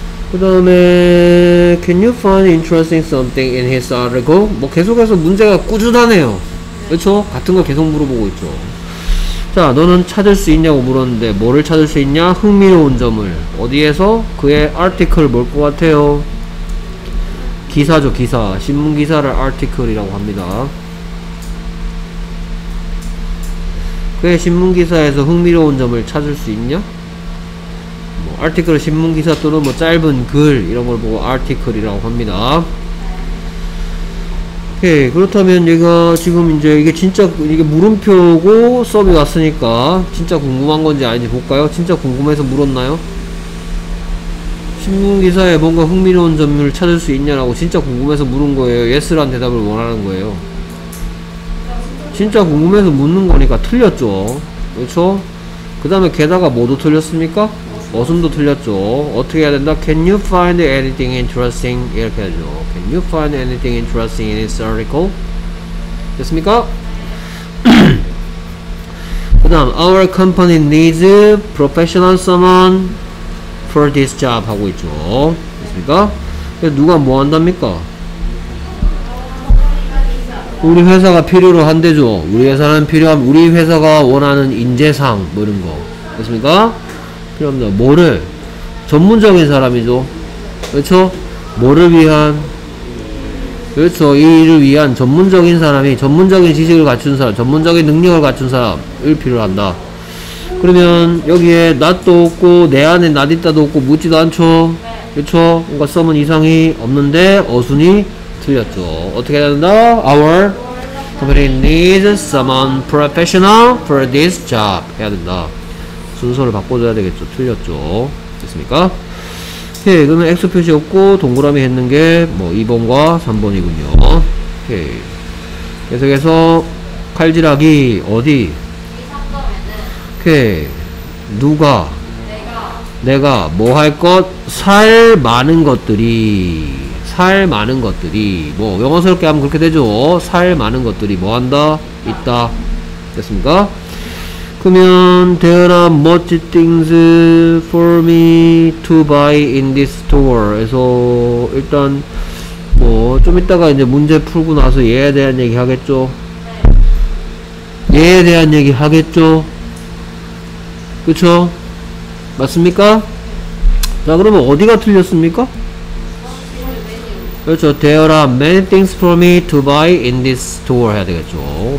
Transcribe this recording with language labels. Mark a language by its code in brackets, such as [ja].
[ko] 그 다음에 [en] can you find interesting something in his article? [ko] 뭐 계속해서 문제가 꾸준하네요. 그렇죠? 같은 걸 계속 물어보고 있죠. 자, 너는 찾을 수 있냐고 물었는데 뭐를 찾을 수 있냐? 흥미로운 점을. 어디에서? 그의 article 뭘 것 같아요? 기사죠, 기사. 신문 기사를 article이라고 합니다. 그의 신문 기사에서 흥미로운 점을 찾을 수 있냐? 뭐 article 신문 기사 또는 뭐 짧은 글 이런 걸 보고 article이라고 합니다. 오케이. 그렇다면 얘가 지금 이제 이게 진짜 이게 물음표고 썸이 왔으니까 진짜 궁금한 건지 아닌지 볼까요? 진짜 궁금해서 물었나요? 신문기사에 뭔가 흥미로운 점을 찾을 수 있냐라고 진짜 궁금해서 물은 거예요? Yes란 대답을 원하는 거예요? 진짜 궁금해서 묻는 거니까 틀렸죠. 그렇죠? 그 다음에 게다가 뭐도 틀렸습니까? 어순도 틀렸죠. 어떻게 해야 된다? [en] Can you find anything interesting? [ko] 이렇게 해야죠. [en] Can you find anything interesting in this article? [ko] 됐습니까? 그 다음, [en] Our company needs professional someone for this job [ko] 하고 있죠. 됐습니까? 누가 뭐 한답니까? 우리 회사가 필요로 한대죠. 우리 회사는 필요함, 우리 회사가 원하는 인재상, 뭐 이런 거. 됐습니까? 필요합니다. 뭐를? 전문적인 사람이죠. 그렇죠? 뭐를 위한? 그렇죠. 이 일을 위한 전문적인 사람이 전문적인 지식을 갖춘 사람, 전문적인 능력을 갖춘 사람을 필요한다. 그러면 여기에 not도 없고 내 안에 not 있다도 없고 묻지도 않죠. 그렇죠? 뭔가 썸은 이상이 없는데 어순이 틀렸죠. 어떻게 해야 된다? [en] Our company needs someone professional for this job [ko] 해야 된다. 순서를 바꿔줘야 되겠죠. 틀렸죠. 됐습니까? 오케이. 그러면 X 표시 없고 동그라미 했는 게 뭐 2번과 3번이군요. 오케이. 계속해서 칼질하기 어디? 오케이. 누가? 내가 뭐 할 것? 살 많은 것들이. 살 많은 것들이. 뭐 영어스럽게 하면 그렇게 되죠. 살 많은 것들이 뭐 한다? 있다. 됐습니까? 그러면 [en] there are much things for me to buy in this store [ko] 에서 일단 뭐 좀 이따가 이제 문제 풀고 나서 얘에 대한 얘기 하겠죠. 얘에 대한 얘기 하겠죠. 그쵸? 맞습니까? 자, 그러면 어디가 틀렸습니까? 그렇죠. [en] There are many things for me to buy in this store [ko] 해야 되겠죠.